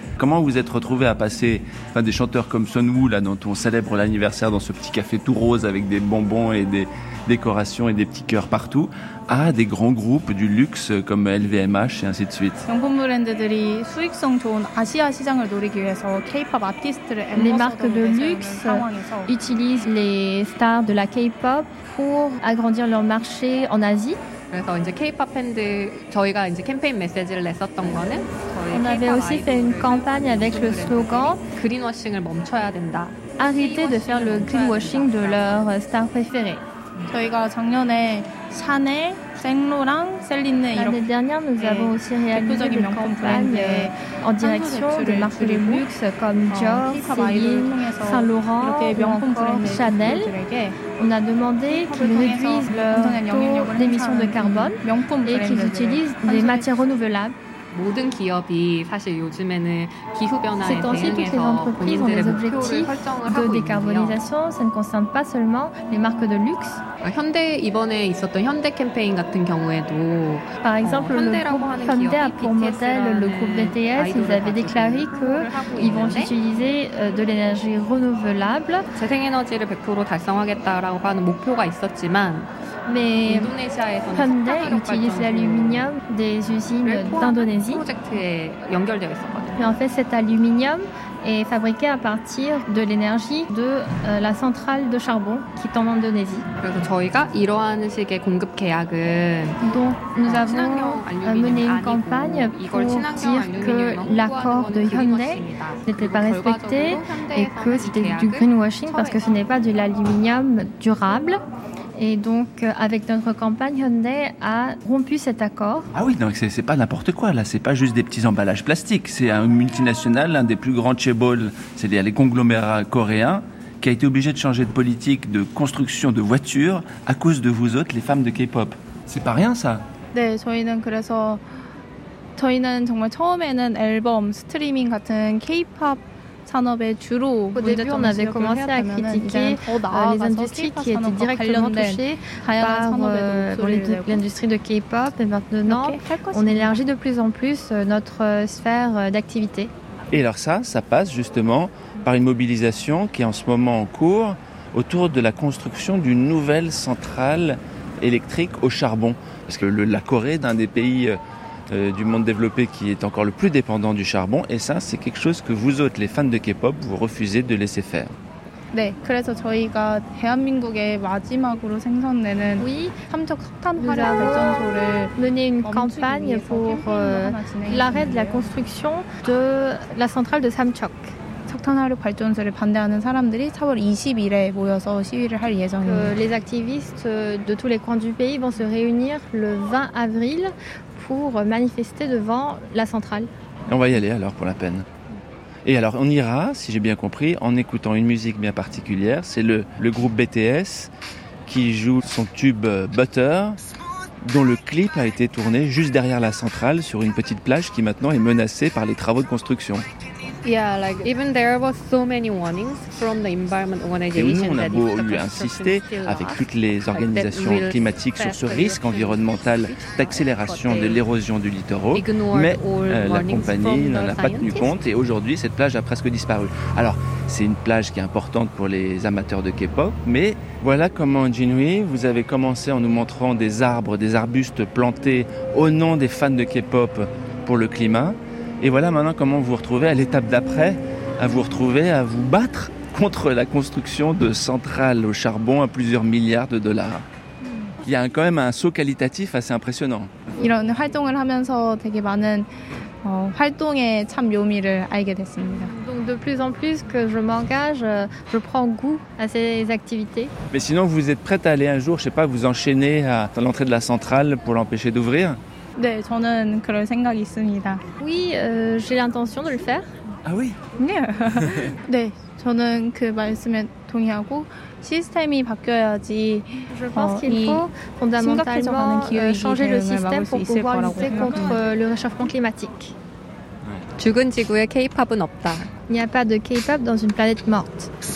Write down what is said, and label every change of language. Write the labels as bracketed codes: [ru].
[fr] Comment vous êtes retrouvé à passer des chanteurs comme Sunwoo là dont on célèbre l'anniversaire dans ce petit café tout rose avec des bonbons et des décorations et des petits cœurs partout à des grands groupes du luxe comme LVMH et ainsi de suite. [ko] 명품 브랜드들이 수익성 좋은 아시아 시장을 노리기 위해서 K-pop 아티스트를 [fr] les marques de luxe utilisent les stars de la K-pop pour agrandir leur marché en Asie. [ko] 그래서 이제 K-pop 팬들 저희가 이제 캠페인 메시지를 냈었던 거는 [fr] On avait aussi fait une campagne avec le slogan [ko] Greenwashing을 멈춰야 된다. [fr] Arrêtez de faire le greenwashing de leur star préférée. [ko] 저희가 작년에 샤넬, 생로랑, 셀린네 [fr] l'année dernière nous avons aussi réalisé une campagne en direction de marques de luxe comme Dior, Céline, Saint Laurent ou encore Chanel. On a demandé qu'ils réduisent leur taux d'émissions de carbone et qu'ils utilisent des matières renouvelables. [ko] 모든 기업이 사실 요즘에는 기후 변화에 대응해서 본인들의 목표를 설정을 하고 있는데요. 현대 이번에 있었던 현대 캠페인 같은 경우에도 [fr] par exemple, [ko] 현대라고 하는 기업이 BTS라는 [fr] ils avaient déclaré que ils vont utiliser de l'énergie renouvelable [ko] 재생 에너지를 100% 달성하겠다라고 하는 목표가 있었지만 [fr] Mais Hyundai utilise l'aluminium des usines d'Indonésie. Et en fait, cet aluminium est fabriqué à partir de l'énergie de la centrale de charbon qui est en Indonésie. Donc, nous avons mené une campagne pour dire que l'accord de Hyundai n'était pas respecté et que c'était du greenwashing parce que ce n'est pas de l'aluminium durable. Et donc, avec notre campagne, Hyundai a rompu cet accord. Ah oui, donc c'est pas n'importe quoi, là. C'est pas juste des petits emballages plastiques. C'est un multinational, l'un des plus grands chaebol, c'est-à-dire les conglomérats coréens, qui a été obligé de changer de politique de construction de voitures à cause de vous autres, les femmes de K-pop. C'est pas rien ça. [ko] 네, 저희는 그래서 저희는 정말 처음에는 앨범, 스트리밍 같은 K-POP 산업에 주로 문제점을 지적했다면 이제는 더 나아가서 K-POP 산업과 관련된 다양한 산업의 목소리를 내고 [fr] et maintenant on élargit de plus en plus notre sphère d'activité. Et alors ça, ça passe justement par une mobilisation qui est en ce moment en cours autour de la construction d'une nouvelle centrale électrique au charbon. Parce que la Corée, d'un des pays du monde développé qui est encore le plus dépendant du charbon, et ça, c'est quelque chose que vous autres, les fans de K-pop, vous refusez de laisser faire. [ko] 네, 그래서 저희가 대한민국의 마지막으로 생산되는 [fr] oui, [ko] 3척 석탄 화력 발전소를 [fr] mener une campagne pour l'arrêt de la construction de la centrale de Samchok. [ko] 석탄 화력 발전소를 반대하는 사람들이 4월 20일에 모여서 시위를 할 예정입니다. [fr] Les activistes de tous les coins du pays vont se réunir le 20 avril pour manifester devant la centrale. Et on va y aller alors pour la peine. Et alors, on ira, si j'ai bien compris, en écoutant une musique bien particulière. C'est le groupe BTS qui joue son tube Butter, dont le clip a été tourné juste derrière la centrale sur une petite plage qui maintenant est menacée par les travaux de construction. [en] Yeah, like even there were so many warnings from the environment organization. [fr] Et nous, on a beau lui insister avec toutes les organisations climatiques sur ce risque environnemental d'accélération de l'érosion du littoral, mais la compagnie n'en a pas tenu compte et aujourd'hui cette plage a presque disparu. Alors, c'est une plage qui est importante pour les amateurs de K-pop, mais voilà comment Jinhui, vous avez commencé en nous montrant des arbres, des arbustes plantés au nom des fans de K-pop pour le climat. Et voilà maintenant comment vous vous retrouvez à l'étape d'après, à vous retrouver à vous battre contre la construction de centrales au charbon à plusieurs milliards de dollars. Il y a quand même un saut qualitatif assez impressionnant. [ko] 이런 활동을 하면서 되게 많은 활동의 참 묘미를 알게 됐습니다. [fr] Donc de plus en plus que je m'engage, je prends goût à ces activités. Mais sinon, vous êtes prête à aller un jour, je sais pas, vous enchaîner à l'entrée de la centrale pour l'empêcher d'ouvrir? [ko] 네, 저는 그럴 생각이 있습니다. [fr] Oui, j'ai l'intention de le faire. Ah oui. [ko] 네. 네, 저는 그 말씀에 동의하고 시스템이 바뀌어야지 [fr] je pense qu'il faut fondamentalement changer le système pour pouvoir lutter contre le réchauffement climatique. [ko] 죽은 지구에 K-pop은 없다. [fr] Il n'y a pas de K-pop dans une planète morte.